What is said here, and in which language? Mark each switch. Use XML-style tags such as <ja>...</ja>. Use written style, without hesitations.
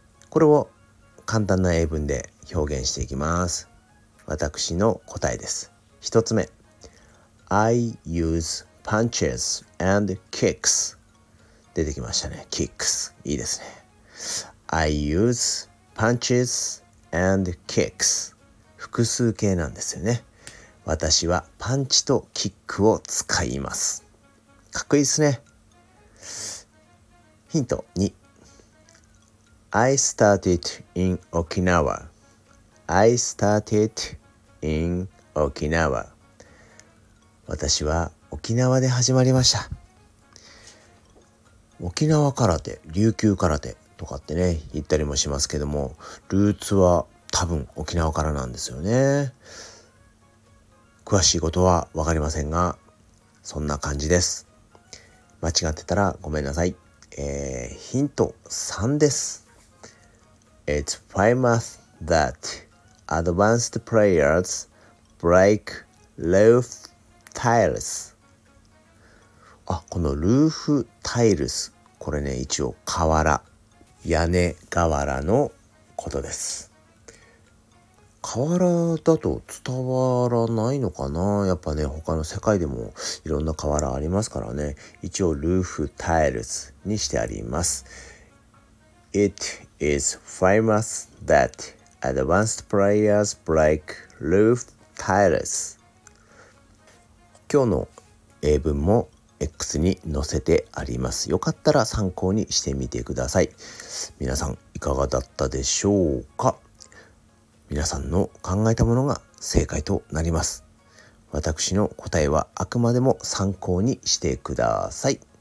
<ja>これを簡単な英文で表現していきます。私の答えです。1つ目、</ja> <en>I use punches and kicks。</en> <ja>出てきましたね。 kicks、 いいですね。</ja> <en>I use punches and kicks、</en> <ja>複数形なんですよね。私はパンチとキックを使います。かっこいいですね。ヒント2、</ja> <en>I started in Okinawa。 I started in Okinawa。</en> <ja>私は沖縄で始まりました。沖縄空手、琉球空手とかってね言ったりもしますけども、ルーツは多分沖縄からなんですよね。詳しいことは分かりませんが、そんな感じです。間違ってたらごめんなさい。ヒント3です。</ja> <en>It's famous that advanced players break roof tiles。</en> <ja>あ、このルーフタイルス、これね、一応瓦、屋根瓦のことです。瓦だと伝わらないのかな。やっぱね、他の世界でもいろんな瓦ありますからね。一応ルーフタイルズにしてあります。</ja> <en>It is famous that advanced players break roof tiles。</en> <ja>今日の英文も X に載せてあります。よかったら参考にしてみてください。皆さんいかがだったでしょうか。皆さんの考えたものが正解となります。私の答えはあくまでも参考にしてください。</ja>